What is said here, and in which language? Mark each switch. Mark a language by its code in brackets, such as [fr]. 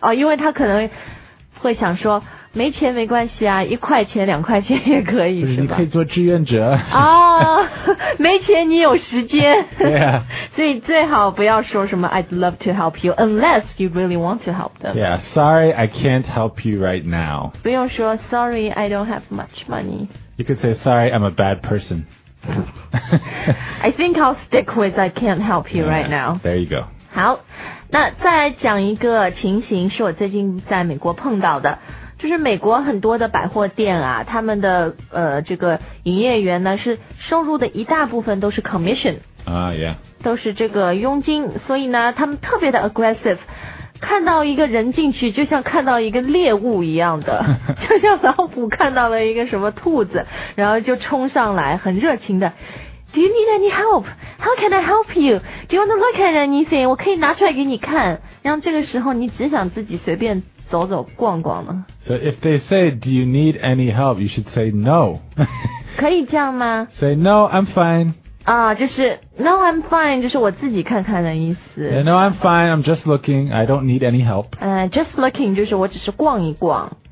[zh] 哦，因为他可能会想说没钱没关系啊，一块钱两块钱也可以，不是你可以做志愿者哦，没钱你有时间。对啊，所以最好不要说什么 [en] I'd love to help you unless you really want to help them. Yeah, sorry I can't help you right now. [zh] 不用说 [en] sorry I don't have much money. You could say sorry I'm a bad person. I think I'll stick with I can't help you right now. There you go. [zh] 好，那再讲一个情形，是我最近在美国碰到的，就是美国很多的百货店啊，他们的这个营业员呢，是收入的一大部分都是 commission 啊、yeah. 都是这个佣金，所以呢他们特别的 aggressive， 看到一个人进去就像看到一个猎物一样的，就像老虎看到了一个什么兔子，然后就冲上来，很热情的。 [en] Do you need any help? How can I help you? Do you want to look at anything? [zh] 我可以拿出来给你看。然后这个时候你只想自己随便走走逛逛呢。 [en] So if they say, do you need any help? You should say no. [zh] 可以这样吗？ [en] Say no, I'm fine. [zh] 啊、就是 [en] no, I'm fine, [zh] 就是我自己看看的意思。 [en] Yeah, no, I'm fine, I'm just looking, I don't need any help. Just looking, [zh] 就是我只是逛一逛。